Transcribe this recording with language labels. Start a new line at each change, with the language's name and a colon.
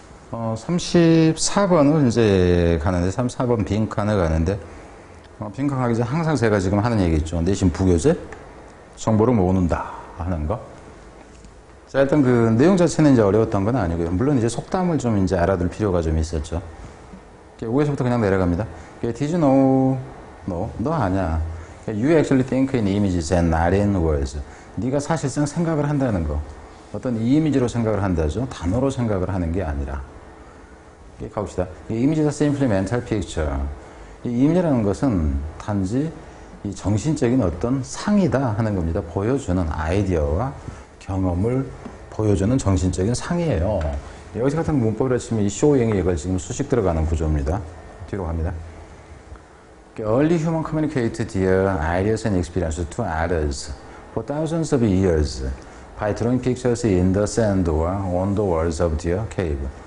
Korean: 34번을 이제 가는데, 34번 빈칸을 가는데, 빈칸 가기 전에 항상 제가 지금 하는 얘기 있죠. 내신 부교재? 정보를 모은다 하는 거. 자, 일단 그 내용 자체는 이제 어려웠던 건 아니고요. 물론 이제 속담을 좀 이제 알아둘 필요가 좀 있었죠. 위에서부터 그냥 내려갑니다.
English: Did you know? No.
Korean: 너 아냐.
English: You actually think in images and not in words.
Korean: 네가 사실상 생각을 한다는 거. 어떤 이미지로 생각을 한다죠. 단어로 생각을 하는 게 아니라. 가봅시다.
English: 이미지 is a simply mental picture.
Korean: 이미지라는 것은 단지 이 정신적인 어떤 상이다 하는 겁니다. 보여주는 아이디어와 경험을 보여주는 정신적인 상이에요. 여기서 같은 문법으로 치면 이 showing이 이걸 지금 수식 들어가는 구조입니다. 뒤로 갑니다.
English: Early human communicated their ideas and experiences to others for thousands of years. By drawing pictures in the sand or on the walls of their cave.